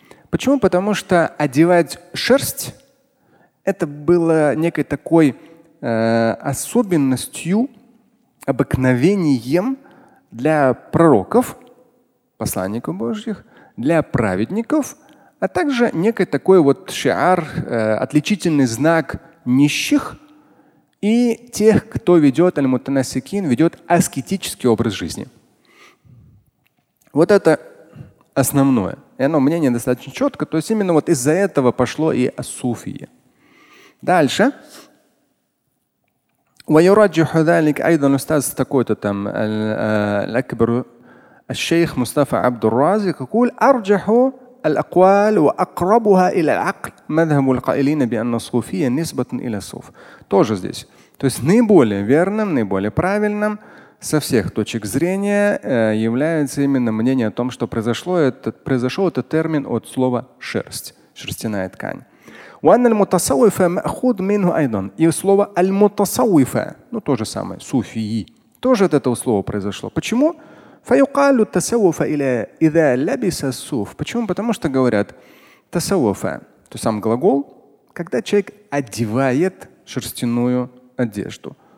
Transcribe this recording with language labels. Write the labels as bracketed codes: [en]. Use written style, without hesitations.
[ru] Почему? Потому что одевать шерсть – это было некой такой особенностью, обыкновением для пророков, посланников Божьих, для праведников, а также некий такой вот шиар, отличительный знак нищих и тех, кто ведет аль-мутанасикин, ведет аскетический образ жизни. Вот это основное. И оно мнение достаточно четко. То есть именно вот из-за этого пошло и ас-суфия. Дальше. [ar] وَيُرَجِّحُ ذَلِكَ أَيْضًا أُسْتَاذ [ru] такой-то там [ar] الْأَكْبَرُ الشيخ مصطفى عبد الرازق يقول أرجح الأقوال وأقربها إلى العقل مذهب القائلين بأن الصوفية نسبة إلى الصوف. [ru] Тоже здесь. То есть наиболее верным, наиболее правильным со всех точек зрения является именно мнение о том, что произошел этот термин от слова шерсть, шерстяная ткань. [ar] وأن المتصوفة مأخوذ منه أيضا. [ru] И слово المتصوفة, ну то же самое, суфии, тоже от этого слова произошло. Почему? [ar] فَيُقَالُ تَسَوُفَ إِلَى إِذَا لَبِسَ السُّوف. Почему? [ru] Потому что говорят «тасавуфа» – то сам глагол, когда человек одевает шерстяную одежду.